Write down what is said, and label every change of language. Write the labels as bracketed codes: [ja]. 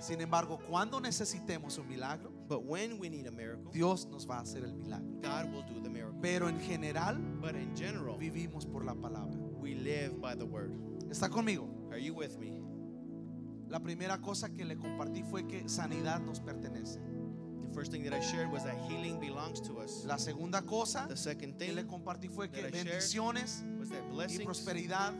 [es] Sin embargo, cuando necesitemos un milagro, [en] but when we need a miracle, [es] Dios nos va a hacer el milagro. [en] God will do the miracle. [es] Pero en general, [en] but in general, [es] vivimos por la palabra. [en] We live by the word. [es] ¿Está conmigo? [en] Are you with me? [es] La primera cosa que le compartí fue que sanidad nos pertenece. [en] The first thing that I shared was that healing belongs to us. [es] La segunda cosa, [en] the second thing [es] que le compartí fue que bendiciones y prosperidad